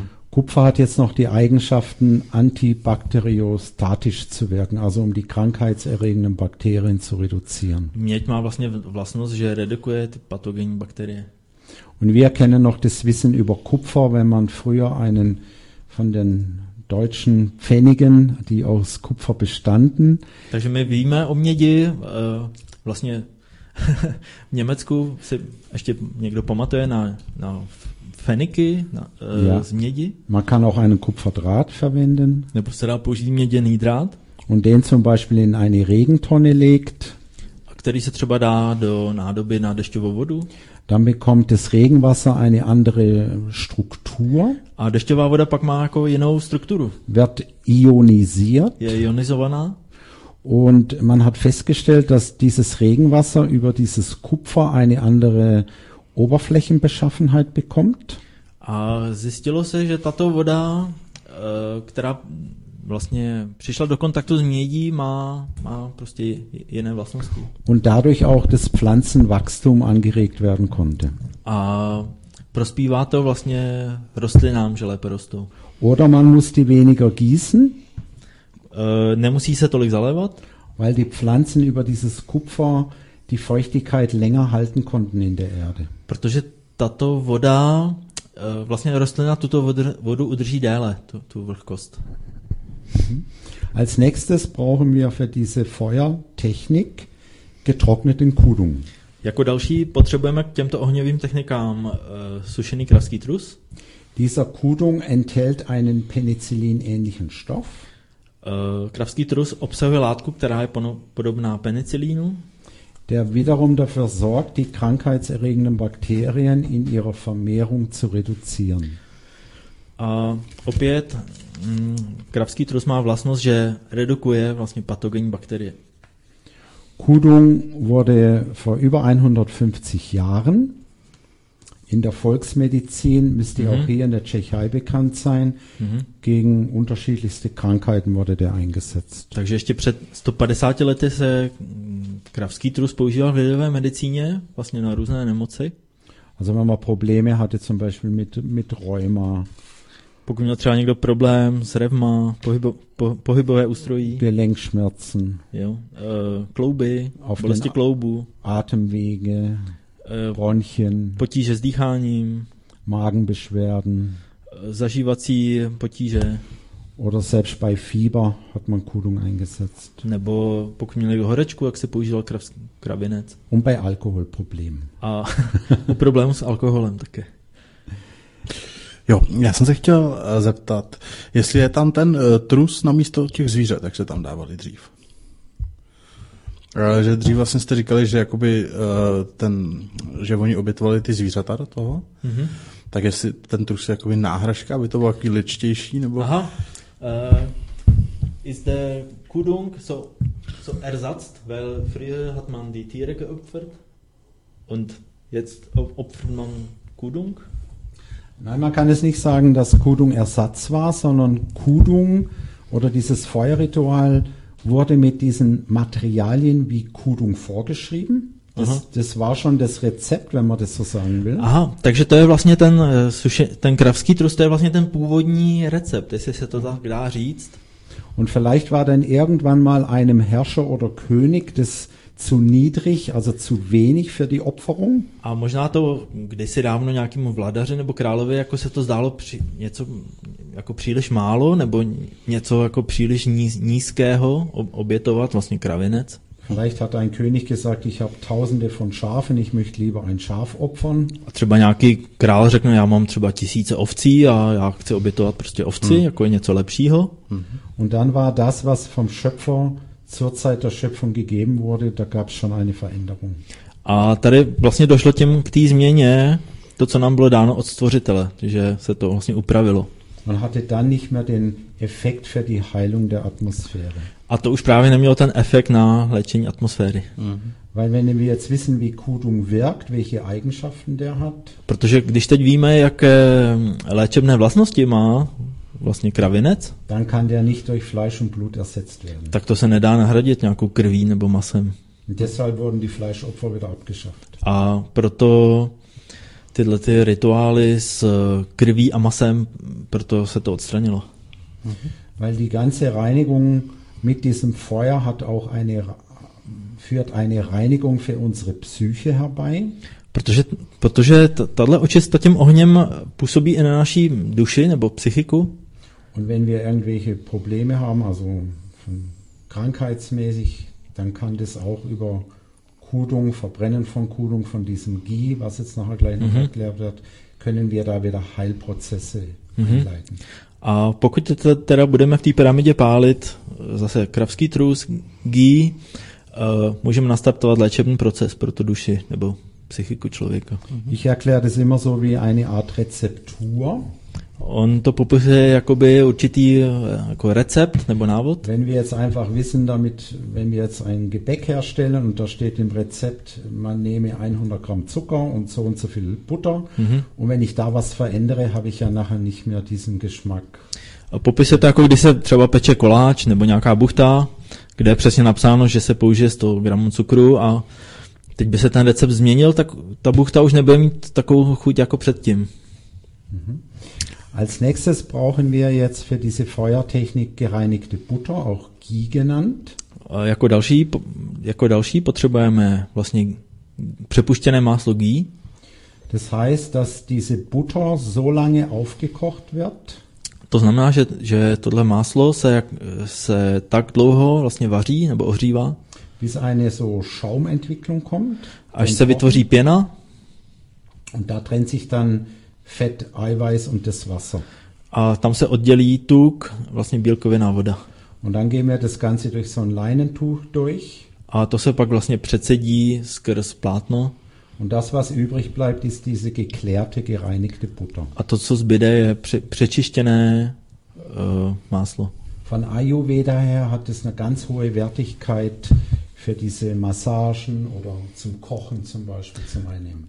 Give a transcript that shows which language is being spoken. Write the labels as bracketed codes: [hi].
[de] Kupfer hat jetzt noch die Eigenschaften, antibakteriostatisch zu wirken, also um die krankheitserregenden Bakterien zu reduzieren. [cs] Měď má vlastně vlastnost, že redukuje ty patogenní bakterie. [de] Und wir kennen noch das Wissen über Kupfer, wenn man früher einen von den deutschen Pfennigen, die aus Kupfer bestanden. [cs] Takže my víme o mědi, vlastně v Německu si ještě někdo pamatuje na Pfenniky, z mědi. [de] Man kann auch einen Kupferdraht verwenden. [cs] Nebo se dá použít měděný drát. [de] Und den zum Beispiel in eine Regentonne legt. [cs] A který se třeba dá do nádoby na dešťovou vodu. [de] Dann bekommt das Regenwasser eine andere Struktur. [cs] A dešťová voda pak má jako jinou strukturu. [de] Wird ionisiert. [cs] Je ionizovaná. [de] Und man hat festgestellt, dass dieses Regenwasser über dieses Kupfer eine andere Oberflächenbeschaffenheit bekommt. [cs] A zjistilo se, že tato voda, která vlastně přišla do kontaktu s mědí, má prostě jiné vlastnosti. [de] Und dadurch auch das Pflanzenwachstum angeregt werden konnte. [cs] A prospívá to vlastně rostlinám, že lépe rostou. [de] Oder man musste weniger gießen. [cs] Nemusí se tolik zalévat. [de] Weil die Pflanzen über dieses Kupfer die Feuchtigkeit länger halten konnten in der Erde. [cs] Protože tato voda, vlastně rostlina tuto vodu udrží déle, tu vlhkost. [de] Als nächstes brauchen wir für diese Feuertechnik getrockneten Kudung. [cs] Jako další potřebujeme k těmto ohňovým technikám sušený kravský trus. [de] Dieser Kudung enthält einen penicillin-ähnlichen Stoff. [cs] Kravský trus obsahuje látku, která je podobná penicillínu. [de] Der wiederum dafür sorgt, die krankheitserregenden Bakterien in ihrer Vermehrung zu reduzieren. [cs] A opět kravský trus má vlastnost, že redukuje vlastně patogenní bakterie. [de] Kudung wurde vor über 150 Jahren in der Volksmedizin, müsste auch hier in der Tschechei bekannt sein, gegen unterschiedlichste Krankheiten wurde der eingesetzt. [cs] Takže ještě před 150 lety se kravský trus používal v lidové medicíně, vlastně na různé nemoci. [de] Also wenn man Probleme hatte zum Beispiel mit Rheuma. [cs] Pokud měl třeba někdo problém s revma, pohybové ústrojí. [de] Gelenkschmerzen. [cs] Jo, klouby, auf bolesti kloubů. [de] Atemwege, bronchien. [cs] Potíže s dýcháním. [de] Magenbeschwerden. [cs] Zažívací potíže. [de] Oder selbst bei Fieber hat man Kudung eingesetzt. [cs] Nebo pokud měl někdo horečku, jak se používal kravinec. [de] Und bei Alkoholproblem. [cs] A u problému s alkoholem také. Jo, já jsem se chtěl zeptat, jestli je tam ten trus na místo těch zvířat, jak se tam dávali dřív. Že dřív vlastně jste říkali, že jakoby ten, že oni obětovali ty zvířata do toho, tak jestli ten trus je jakoby náhražka, aby to bylo jaký ličtější, nebo... [de] Aha, is the kudung so ersetzt, weil früher hat man die Tiere geopfert und jetzt opfert man kudung? Nein, man kann es nicht sagen, dass Kudung Ersatz war, sondern Kudung oder dieses Feuerritual wurde mit diesen Materialien wie Kudung vorgeschrieben. Das war schon das Rezept, wenn man das so sagen will. [cs] Aha, takže to je vlastně ten kravský trus, to je vlastně ten původní recept, jestli se to tak dá říct. [de] Und vielleicht war dann irgendwann mal einem Herrscher oder König des zu niedrig, also zu wenig für die Opferung. [cs] A možná to kdysi dávno nějakému vladaři nebo královi jako se to zdálo něco jako příliš málo nebo něco jako příliš nízkého obětovat vlastně kravinec. [de] Vielleicht hat ein König gesagt, ich habe tausende von Schafen, ich möchte lieber ein Schaf opfern. [cs] A třeba nějaký král řekne, já mám třeba tisíce ovcí a já chci obětovat prostě ovci, jako je něco lepšího. [de] Und dann war das, was vom Schöpfer zur Zeit der Schöpfung gegeben wurde, da gab es schon eine Veränderung. [cs] A tady vlastně došlo k té změně, to, co nám bylo dáno od Stvořitele, že se to vlastně upravilo. [de] Man hatte dann nicht mehr den Effekt für die Heilung der Atmosphäre. [cs] A to už právě nemělo ten efekt na léčení atmosféry. [de] Weil wenn wir jetzt wissen, wie Kudung wirkt, welche Eigenschaften der hat. [cs] Protože když teď víme, jaké léčebné vlastnosti má vlastně kravinec, [de] dann kann der nicht durch Fleisch und Blut ersetzt werden. [cs] Tak to se nedá nahradit nějakou krví nebo masem. [de] Deshalb wurden die Fleischopfer wieder abgeschafft. [cs] A proto tyhle ty rituály s krví a masem, proto se to odstranilo. [de] Weil die ganze Reinigung mit diesem Feuer hat auch eine führt eine Reinigung für unsere Psyche herbei. [cs] Protože tato očista tím ohněm působí i na naší duši nebo psychiku. [de] Und wenn wir irgendwelche Probleme haben, also krankheitsmäßig, dann kann das auch über Kudung, Verbrennen von Kudung, von diesem Ghee, was jetzt nachher gleich noch erklärt wird, können wir da wieder Heilprozesse einleiten. [cs] A pokud teda budeme v té pyramidě pálit, zase kravský trus, ghee, můžeme nastartovat léčebný proces pro tu duši nebo psychiku člověka. [de] Ich erkläre das immer so wie eine Art Rezeptur. [cs] On to popisuje jakoby určitý jako recept nebo návod. [de] Wenn wir jetzt einfach wissen damit, wenn wir jetzt ein Gebäck herstellen und da steht im Rezept, man nehme 100 Gramm Zucker und so viel Butter und wenn ich da was verändere, habe ich ja nachher nicht mehr diesen Geschmack. [cs] Popisuje to jako, když se třeba peče koláč nebo nějaká buchta, kde je přesně napsáno, že se použije 100 gramů cukru a teď by se ten recept změnil, tak ta buchta už nebude mít takovou chuť jako předtím. [de] Als nächstes brauchen wir jetzt für diese Feuertechnik gereinigte Butter, auch Ghee genannt. [cs] A jako další potřebujeme vlastně přepuštěné máslo Ghee. [de] Das heißt, dass diese Butter so lange aufgekocht wird. [cs] To znamená, že tohle máslo se tak dlouho vlastně vaří nebo ohřívá. [de] Bis eine so Schaumentwicklung kommt. [cs] Až se vytvoří pěna. [de] Und da trennt sich dann Fett, Eiweiß und das Wasser. [cs] A tam se oddělí tuk, vlastně bílkovina, voda. [de] Und dann gehen wir das Ganze durch so ein Leinentuch durch. [cs] A to se pak vlastně předsedí skrz plátno. [de] Und das, was übrig bleibt, ist diese geklärte, gereinigte Butter. [cs] A to, co zbyde, je přečištěné máslo. [de] Von Ayurveda her hat es eine ganz hohe Wertigkeit für diese Massagen oder zum Kochen zum Beispiel zum Einnehmen.